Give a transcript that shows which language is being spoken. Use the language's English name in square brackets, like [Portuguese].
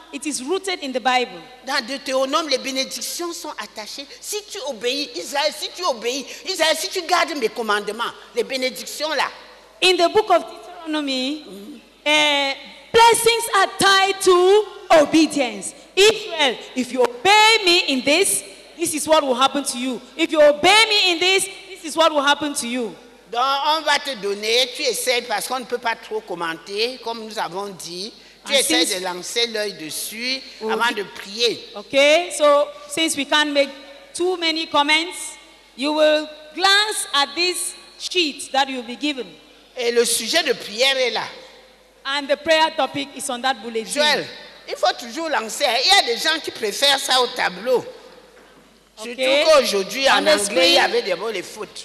[English] It is rooted in the Bible. [French] Dans Deutéronome, les bénédictions sont attachées. Si tu obéis, Israël, si tu obéis, Israël, si tu gardes mes commandements, les bénédictions là. [English] In the book of Deuteronomy, blessings are tied to obedience. Israel, if you obey me in this, this is what will happen to you. If you obey me in this, this is what will happen to you. [French] Donc, on va te donner, tu essaies parce qu'on ne peut pas trop commenter, comme nous avons dit. Tu essaies de lancer l'œil dessus avant de prier. [English] Okay, so since we can't make too many comments, you will glance at this sheet that you'll be given. [French] Et le sujet de prière est là. [English] And the prayer topic is on that bulletin. [French] Joël, il faut toujours lancer. Il y a des gens qui préfèrent ça au tableau. Surtout okay. Qu'aujourd'hui, en anglais, il y avait des mots les fautes.